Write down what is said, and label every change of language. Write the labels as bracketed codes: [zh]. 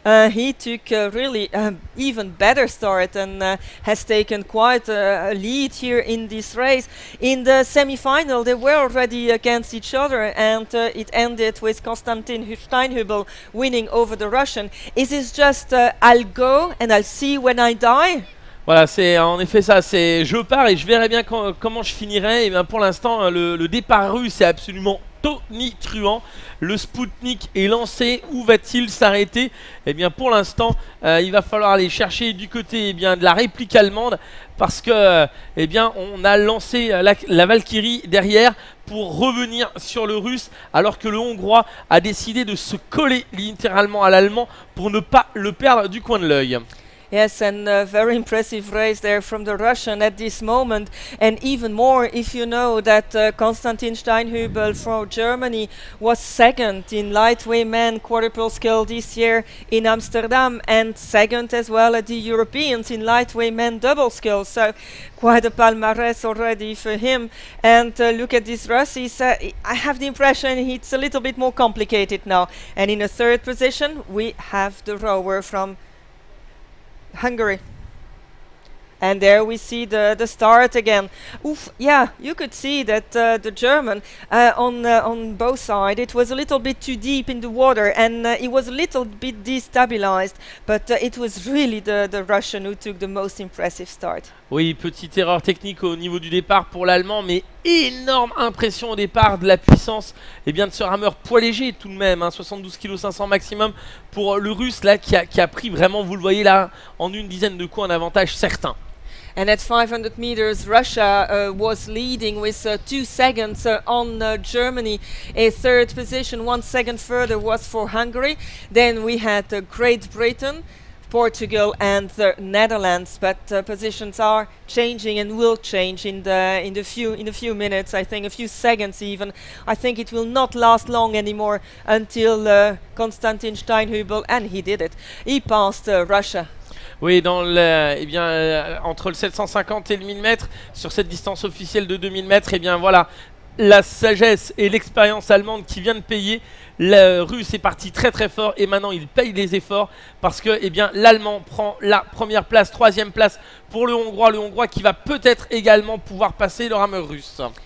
[en] He took a really even better start and has taken quite a lead here in this race. In the semi-final, they were already against each other, and it ended with Konstantin Steinhübel winning over the Russian. Is this just I'll go and I'll see when I die? [fr] Voilà, c'est en effet ça, c'est je pars et je verrai bien comment je finirai. Et bien pour l'instant, le départ russe est absolument tonitruant. Le Spoutnik est lancé, où va-t-il s'arrêter? Et bien pour l'instant, il va falloir aller chercher du côté et bien de la réplique allemande, parce que et bien on a lancé la Valkyrie derrière pour revenir sur le russe, alors que le hongrois a décidé de se coller littéralement à l'allemand pour ne pas le perdre du coin de l'œil. [en] Yes, and a very impressive race there from the Russian at this moment. And even more if you know that Konstantin Steinhübel from Germany was second in light women quadruple skill this year in Amsterdam, and second as well at the Europeans in light women double skill. So quite a palmarès already for him. And look at this race. I have the impression it's a little bit more complicated now. And in a third position, we have the rower from Hungary. And there we see the start again. Oof, yeah, you could see that the German on both sides, it was a little bit too deep in the water and it was a little bit destabilized, but it was really the Russian who took the most impressive start. [fr] Oui, petite erreur technique au niveau du départ pour l'Allemand, mais énorme impression au départ de la puissance et bien de ce rameur poids léger tout de même, hein, 72 kg 500 maximum pour le Russe là qui a pris vraiment, vous le voyez là, en une dizaine de coups un avantage certain. [en] And at 500 meters, Russia was leading with 2 seconds on Germany. A third position, 1 second further, was for Hungary. Then we had Great Britain, Portugal and the Netherlands, but positions are changing and will change in a few minutes, I think, a few seconds even. I think it will not last long anymore until Konstantin Steinhübel, and he did it, he passed Russia. [fr] Oui, dans le, eh bien, entre le 750 et le 1000 mètres, sur cette distance officielle de 2000 mètres, eh bien voilà, la sagesse et l'expérience allemande qui vient de payer. Le Russe est parti très très fort et maintenant il paye les efforts parce que eh bien, l'Allemand prend la première place, troisième place pour le Hongrois qui va peut-être également pouvoir passer le rameur russe.